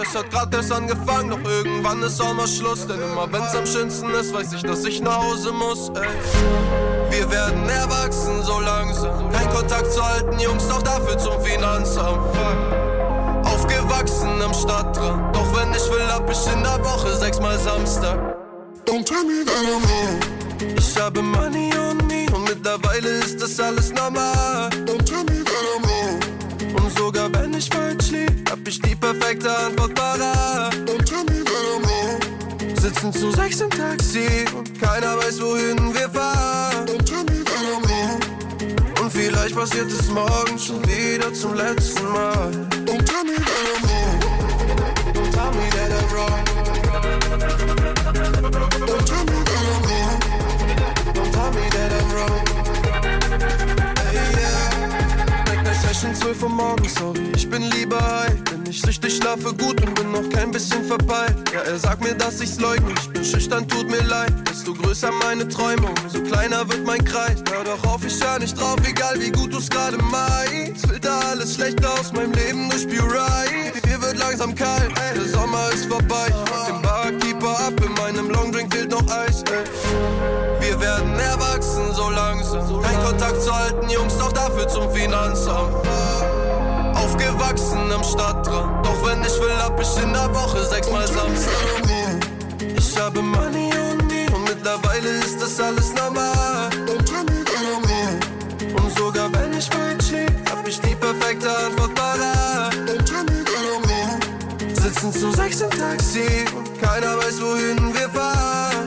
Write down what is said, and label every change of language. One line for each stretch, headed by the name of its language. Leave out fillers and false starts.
German: Es hat grad erst angefangen, doch irgendwann ist auch mal Schluss. Denn immer wenn's am schönsten ist, weiß ich, dass ich nach Hause muss, ey. Wir werden erwachsen, so langsam. Kein Kontakt zu alten Jungs, doch dafür zum Finanzamt. Aufgewachsen am Stadtrand. Doch wenn ich will, hab ich in der Woche sechsmal Samstag.
English: Don't tell me that I'm wrong.
German: Ich habe
English: Money on me
German: und mittlerweile ist das alles normal.
English: Don't tell me that I'm wrong.
German: Und sogar wenn ich falsch lieb, hab ich die perfekte Antwort parat.
English: Don't tell me that I'm wrong.
German: Sitzen zu sechs im Taxi und keiner weiß, wohin wir fahren.
English: Don't tell me that I'm wrong.
German: Und vielleicht passiert es morgen schon wieder zum letzten Mal.
English: Don't tell me that I'm wrong. Don't tell me that I'm wrong. Don't tell me that I'm wrong. Don't tell me that I'm wrong. Hey, yeah. Like my Session
German: 12 Uhr morgens, sorry, ich bin lieber high. Bin ich süchtig, schlafe gut und bin noch kein bisschen verpeilt. Ja, er sagt mir, dass ich's leugne, ich bin schüchtern, tut mir leid. Desto größer meine Träume, umso kleiner wird mein Kreis. Hör doch auf, ich hör nicht drauf, egal wie gut du's gerade meinst. Filter alles schlecht aus, meinem Leben durch Purite. Hier wird langsam kalt, ey. Der Sommer ist vorbei. Ich mach den Barkeeper ab, in meinem Longdrink fehlt noch Eis, ey. Wir werden erwachsen, so langsam. Kein Kontakt zu alten Jungs, doch dafür zum Finanzamt. Aufgewachsen am Stadtrand. Doch wenn ich will, hab ich in der Woche sechsmal Samstag. Ich habe Money und nie. Und mittlerweile ist das alles normal.
English: Don't tell me that I'm wrong.
German: Und sogar wenn ich falsch lieb, hab ich die perfekte Antwort parat.
English: Don't tell me that I'm wrong.
German: Sitzen zu sechs im Taxi und keiner weiß, wohin wir fahren.